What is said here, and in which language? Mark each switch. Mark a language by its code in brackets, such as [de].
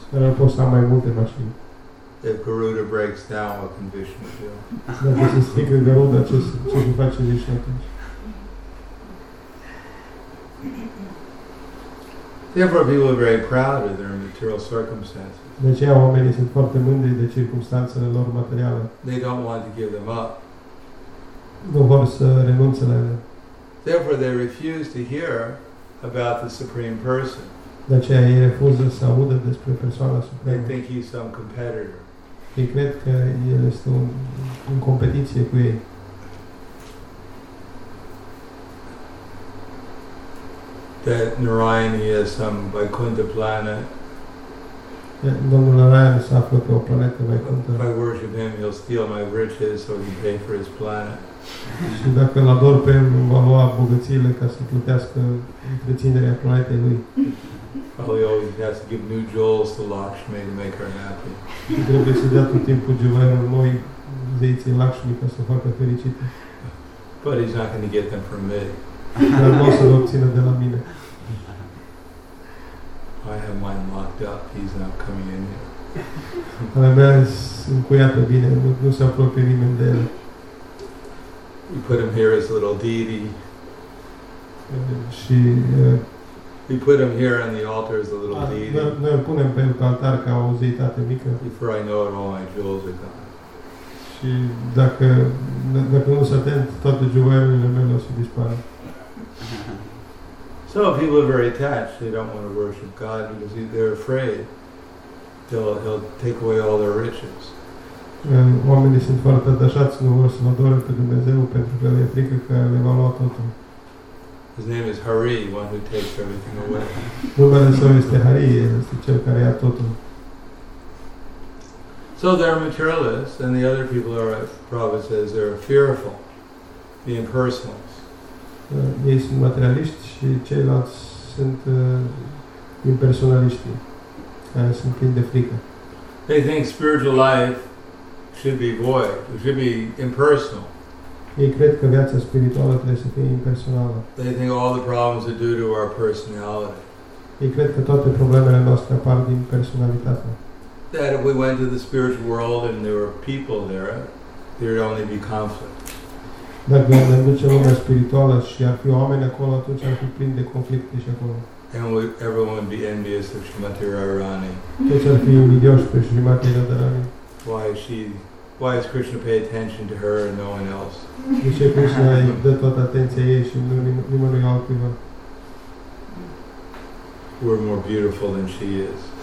[ro] Dar eu pot să am mai multe mașini. [en] If Garuda breaks down, what can Vishnu do? [ro] Dacă se strică Garuda, ce se face Vishnu atunci? [en] Therefore, people are very proud of their material circumstances. [ro] De aceea, oamenii sunt foarte mândri de circumstanțele lor materiale. [en] They don't want to give them up. [ro] Nu vor să renunțe la ele. [en] Therefore, they refuse to hear about the Supreme Person. [ro] De aceea, ei refuză să audă despre persoana supremă. [en] They think he's some competitor. [ro] Ei cred că el este în competiție cu ei. [en] That Narayan, he has some Vaikuntha planet. [ro] Yeah, domnul Narayan se află pe o planetă Vaikuntha. [en] If I worship him, he'll steal my riches so he can pay for his planet. [ro] Și dacă îl ador pe el, va lua bogățiile ca să plătească întreținerea planetei lui. [en] Probably always has to give new jewels to Lakshmi to make her happy. [ro] Și trebuie să dea tot timpul jewelry-ul lui zeiții Lakshmi ca să o facă fericită. [en] But he's not going to get them from me. [ro] Dar nu o să-l obțină de la mine. [en] I have mine locked up. He's not coming in here. [ro] Ale mea sunt cuiată bine. Nu se apropie nimeni de el. [en] You put him here as a little deity. [ro] Și [en] we put him here on the altar as a little deity. [ro] Noi îl punem pe altar ca o zeitate mică. [en] Before I know it, all my jewels are gone. [ro] Și dacă nu sunt atent, toate jewelurile mele o să dispară. [en] So people are very attached. They don't want to worship God because they're afraid he'll take away all their riches. [ro] Oamenii sunt foarte atașați, nu vor să-L adore pe Dumnezeu pentru că le e frică că le va lua totul. [en] His name is Hari, one who takes everything away. [ro] Numele Său este Hari, este Cel care ia totul. [en] So they're materialists, and the other people are, Prabhupada says, they're fearful, the impersonals. [ro] Ei sunt materialiști și ceilalți sunt impersonaliști, care sunt plini de frică. [en] They think spiritual life should be void, it should be impersonal. [ro] Ei cred că viața spirituală trebuie să fie impersonală. [en] They think all the problems are due to our personality. [ro] Ei cred că toate problemele noastre apar din personalitate. [en] That if we went to the spiritual world and there were people there, there would only be conflict. [ro] Dacă ne ducem lumea spirituală și ar fi oameni acolo, atunci ar fi plin de conflicte și acolo. [en] And everyone would be envious of Srimati Radharani. [ro] Toți ar fi invidioși pe Srimati Radharani. [en] Why does Krishna pay attention to her and no one else? [ro] De ce Krishna îi dă toată atenția ei și nimănui altcuiva? [en] We're more beautiful than she is.